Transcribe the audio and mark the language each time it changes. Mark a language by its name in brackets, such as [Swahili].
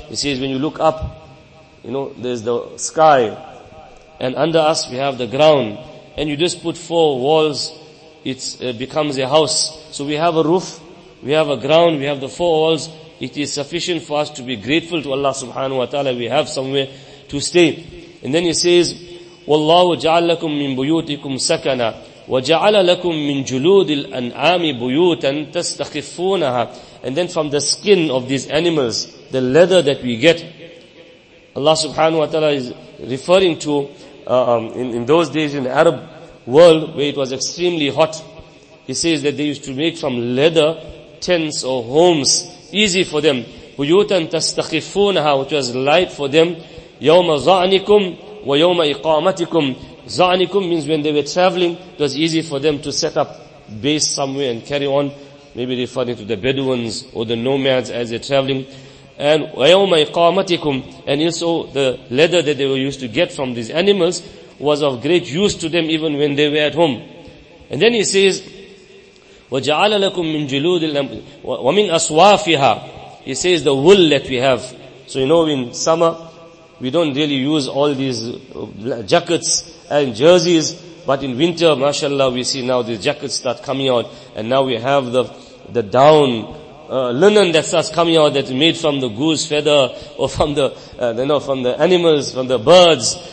[English] It says, when you look up, you know, there's the sky, and under us we have the ground, and you just put four walls, it becomes a house. So we have a roof, we have a ground, we have the four walls. It is sufficient for us to be grateful to Allah subhanahu wa ta'ala. We have somewhere to stay. And then He says, [Arabic] وَاللَّهُ جَعَلَ لَكُم مِّن بُيُوتِكُمْ سَكَنًا وَجَعَلَ لَكُم مِّن جُلُودِ الْأَنْعَامِ بُيُوتًا تَسْتَخِفُّونَهَا. [English] And then from the skin of these animals, the leather that we get, Allah subhanahu wa ta'ala is referring to in those days in the Arab world where it was extremely hot. He says that they used to make from leather tents or homes easy for them. [Arabic] Buyutan tastakhifunaha, [English] which was light for them. [Arabic] Yawma za'anikum wa yawma iqamatikum. [English] Za'anikum means when they were traveling, it was easy for them to set up base somewhere and carry on. Maybe referring to the Bedouins or the nomads as they're traveling. [Arabic] And وَيَوْمَ إِقَامَتِكُمْ. [English] And also the leather that they were used to get from these animals was of great use to them even when they were at home. And then He says, [Arabic] وَجَعَلَ لَكُم مِّن جُلُودِ وَمِنْ أَصْوَافِهَا. [English] He says the wool that we have. So you know in summer, we don't really use all these jackets and jerseys. But in winter, mashallah, we see now these jackets start coming out. And now we have the the down linen that starts coming out that's made from the goose feather or from the from the animals, from the birds.